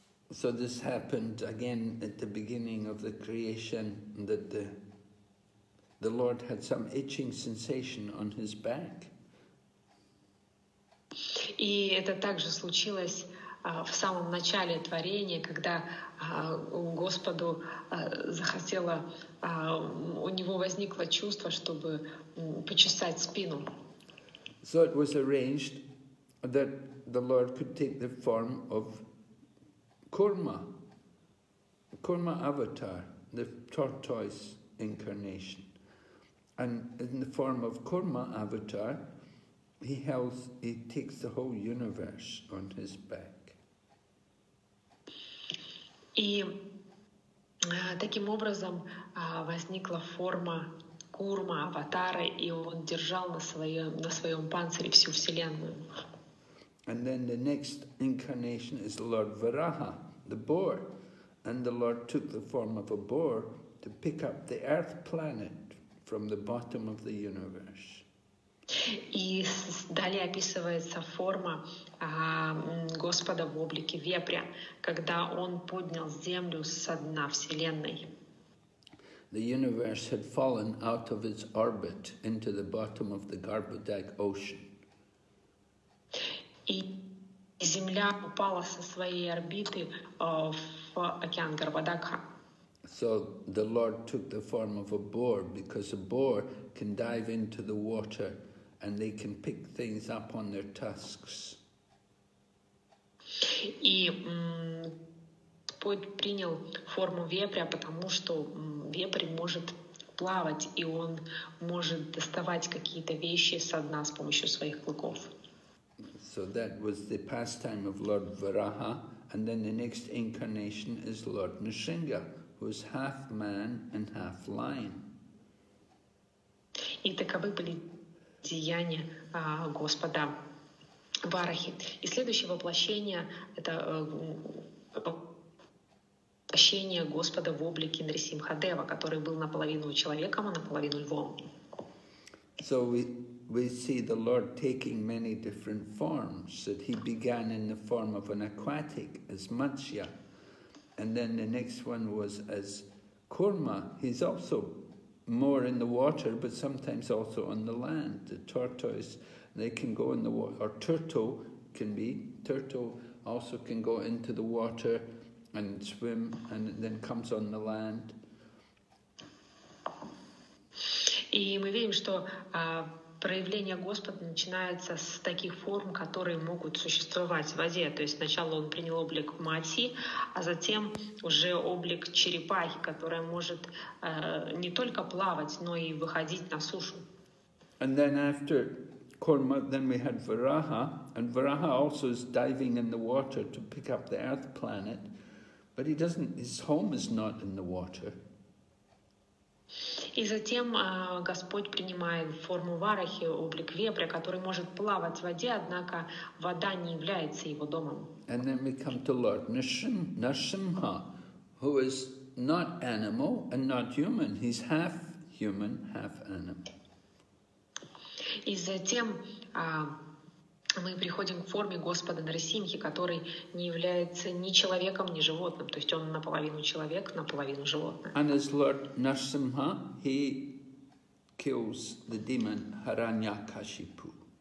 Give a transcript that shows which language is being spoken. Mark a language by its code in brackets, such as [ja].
[en] So this happened again at the beginning of the creation, that the Lord had some itching sensation on his back. [ru] И это также случилось в самом начале творения, когда Господу захотело, у него возникло чувство, чтобы почесать спину. [en] So it was arranged that the Lord could take the form of Kurma avatar, the tortoise incarnation. And in the form of Kurma avatar, he takes the whole universe on his back. [ru] И таким образом возникла форма Курма, аватара, и он держал на своем панцире всю Вселенную. [en] And then the next incarnation is Lord Varaha, the boar. And the Lord took the form of a boar to pick up the earth planet from the bottom of the universe. [ru] И далее описывается форма Господа в облике вепря, когда он поднял землю со дна Вселенной. [en] The universe had fallen out of its orbit into the bottom of the Garbhodak ocean. [ru] И Земля упала со своей орбиты в океан Гарбадакха. [en] So the Lord took the form of a boar, because a boar can dive into the water and they can pick things up on their tusks. [ru] И Господь принял форму вепря, потому что вепрь может плавать, и он может доставать какие-то вещи со дна с помощью своих клыков. [en] So that was the pastime of Lord Varaha, and then the next incarnation is Lord Nrsimha, who is half man and half lion. [ru] И таковы были деяния Господа Варахи. И следующее воплощение — это воплощение Господа в облике Нрсимхадева, который был наполовину человеком, а наполовину львом. [en] So we see the Lord taking many different forms, that he began in the form of an aquatic, as Matsya, and then the next one was as Kurma. He's also more in the water, but sometimes also on the land. The tortoise, they can go in the water, or turtle can be, turtle also can go into the water and swim, and then comes on the land. [ru] И мы видим, что проявление Господа начинается с таких форм, которые могут существовать в воде. То есть сначала он принял облик Матьи, а затем уже облик черепахи, которая может не только плавать, но и выходить на сушу. [en] And then after Kurma, then we had Varaha, and Varaha also is diving in the water to pick up the earth planet, but his home is not in the water. [ru] И затем Господь принимает форму Варахи, облик вепря, который может плавать в воде, однако вода не является его домом. [en] And then we come to Lord Nrsimha, who is not animal and not human. He's half human, half animal. [ru] И затем мы приходим к форме Господа Нрсимхи, который не является ни человеком, ни животным. То есть он наполовину человек, наполовину животное. [en] And as Lord Nrsimha, he kills the demon Hiranyakashipu.